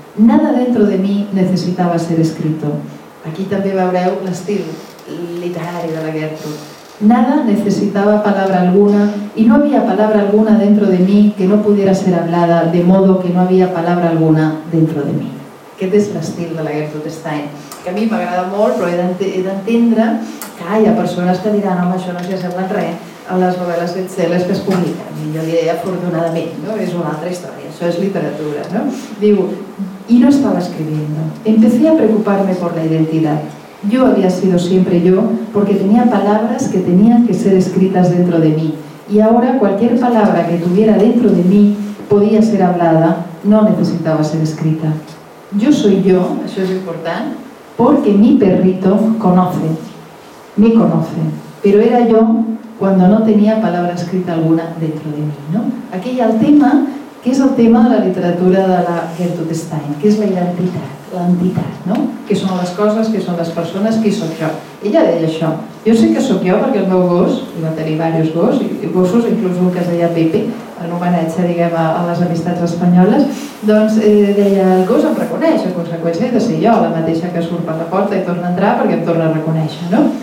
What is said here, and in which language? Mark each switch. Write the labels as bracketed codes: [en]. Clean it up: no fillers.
[es] Nada dentro de mí necesitaba ser escrito. [ca] Aquí també veureu l'estil literari de la Gertrude. [es] Nada necesitaba palabra alguna y no había palabra alguna dentro de mí que no pudiera ser hablada, de modo que no había palabra alguna dentro de mí. [ca] Aquest és l'estil de la Gertrude Stein, que a mi m'agrada molt, però he d'entendre que hi ha persones que diran: home, això no s'hi sembla res a les novel·les bestsellers que es publiquen. I jo li deia, afortunadament, no? És una altra història, això és literatura. No? Diu: [es] y no estaba escribiendo. Empecé a preocuparme por la identidad. Yo había sido siempre yo porque tenía palabras que tenían que ser escritas dentro de mí. Y ahora cualquier palabra que tuviera dentro de mí podía ser hablada, no necesitaba ser escrita. Yo soy yo, eso es importante, porque mi perrito conoce, me conoce. Pero era yo cuando no tenía palabra escrita alguna dentro de mí. ¿No? Aquí hay el tema, que es el tema de la literatura de la Gertrude Stein, que es la identidad. [ca] L'entitat, no? Què són les coses, què són les persones, qui sóc jo. Ella deia això: jo sé que sóc jo perquè el meu gos, i va tenir diversos gos, i gossos, inclús un que es deia Pepe, en homenatge, diguem, a les amistats espanyoles, doncs deia: el gos em reconeix, en conseqüència he de ser jo, la mateixa que surt per la porta i torna a entrar perquè em torna a reconèixer, no?